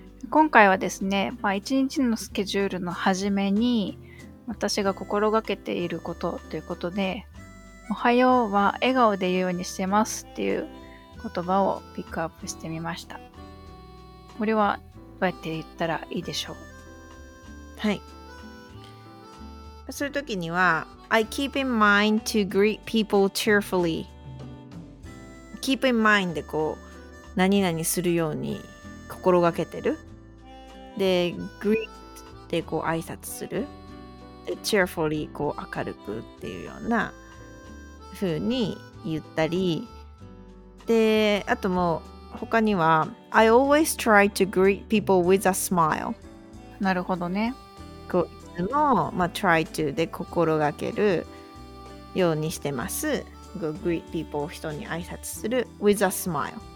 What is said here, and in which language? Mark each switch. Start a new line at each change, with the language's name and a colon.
Japanese: 今回はですね、まあ、一日のスケジュールの始めに私が心がけていることということで、おはようは笑顔で言うようにしてますっていう言葉をピックアップしてみました。これはどうやって言ったらいいでしょう。はい、そういう時には
English: I keep in mind to greet people cheerfully。 keep in mind
Japanese: でこう何々するように心がけてる、で、greet でこう挨拶する。で、cheerfully こう明るくっていうような風に言ったり。で、あともう他には、
English: I always try to greet people with a smile。
Japanese: なるほどね。こういつも、まあ、try to で心がけるようにしてます。こう
English: greet people
Japanese: を人に挨拶する
English: with a smile。